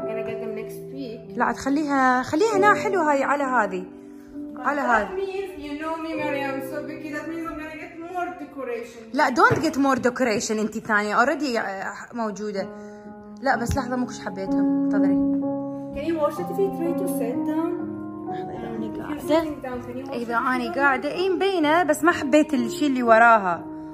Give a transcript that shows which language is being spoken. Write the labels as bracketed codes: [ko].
[en] This table, I'm gonna get Christmas flowers. I already ordered them. I'm gonna get them next week. [ar] لا تخليها خليها هنا. حلو هاي على هذه على هذه. [en] That means you know me, Maryam. So Vicky, that means I'm gonna get more decoration. لا don't get more decoration. [ar] أنت ثانية already موجودة. لا بس لحظة مو كش حبيتها. انتظري. [en] Can you wash it if you try to sit down? [ar] لحظة أنا قاعدة. إذا أنا قاعدة إيه مبينة بس ما حبيت الشيء اللي وراها.